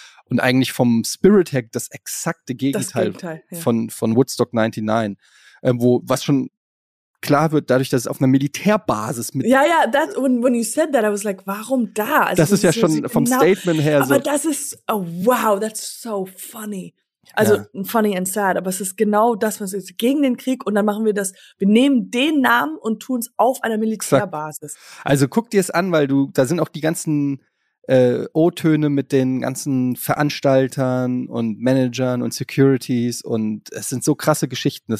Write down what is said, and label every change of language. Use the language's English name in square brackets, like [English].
[German] Und eigentlich vom Spirit her das exakte Gegenteil, von Woodstock 99, klar wird dadurch, dass es auf einer Militärbasis mit. [English] Ja, ja, that, when you said that, I was like, [German] warum da? Also, das ist ja schon vom Statement her aber so. Aber das ist, [English] oh, wow, that's so funny. [German] Also, ja. [English] Funny and sad, [German] aber es ist genau das, was ist gegen den Krieg und dann machen wir das, wir nehmen den Namen und tun es auf einer Militärbasis. Also, guck dir es an, weil da sind auch die ganzen O-Töne mit den ganzen Veranstaltern und Managern und Securities, und es sind so krasse Geschichten.